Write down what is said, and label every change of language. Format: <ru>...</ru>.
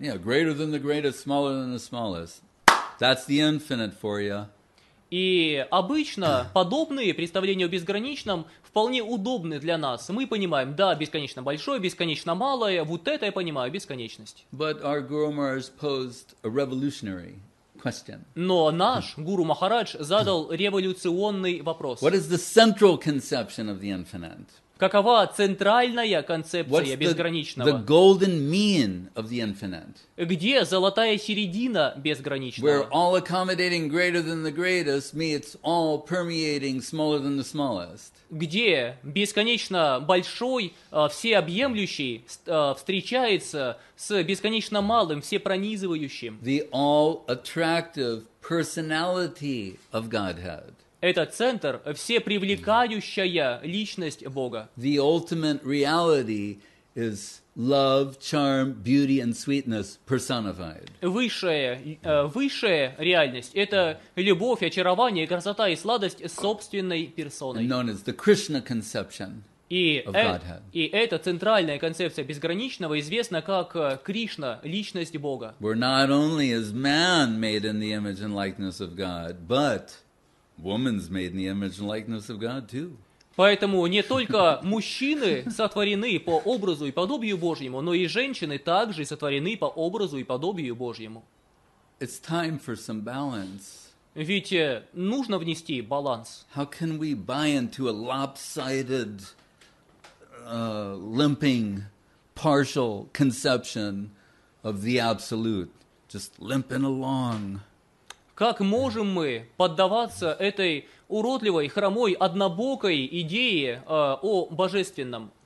<en>Yeah, greater than the greatest, smaller than the smallest. That's the infinite for you.</en> <ru>И обычно подобные представления о безграничном вполне удобны для нас. Мы понимаем, да, бесконечно большое, бесконечно малое, вот это я понимаю, бесконечность.</ru> <en>But our Guru Maharaj posed a revolutionary question.</en> <ru>Но наш гуру Махарадж задал революционный вопрос.</ru> <en>What is the central conception of the infinite?</en> <ru>Какова центральная концепция безграничного?</ru> <en>What's the golden mean of the infinite?</en> <ru>Где золотая середина безграничного?</ru> <en>Where all accommodating greater than the greatest meets all permeating smaller than the smallest.</en> <ru>Где бесконечно большой, всеобъемлющий встречается с бесконечно малым, всепронизывающим.</ru> <en>The all-attractive personality of Godhead.</en> <ru>Это центр, всепривлекающая личность Бога.</ru> <en>The ultimate reality is love, charm, beauty and sweetness personified.</en> <ru>Высшая реальность — это любовь, очарование, красота и сладость собственной персоной.</ru> <en>And known as the Krishna conception of Godhead.</en> <ru>И эта центральная концепция безграничного известна как Кришна, личность Бога.</ru> <en>We're not only as man made in the image and likeness of God, but woman's made in the image and likeness of God too.</en> <ru>Поэтому не только мужчины сотворены по образу и подобию Божьему, но и женщины также сотворены по образу и подобию Божьему.</ru> <en>It's time for some balance.</en> <ru>Ведь нужно внести баланс.</ru> <en>How can we buy into a lopsided, limping, partial conception of the absolute? Just limping along.</en> <ru>Как можем мы поддаваться этой уродливой, хромой, однобокой идее о божественном?</ru>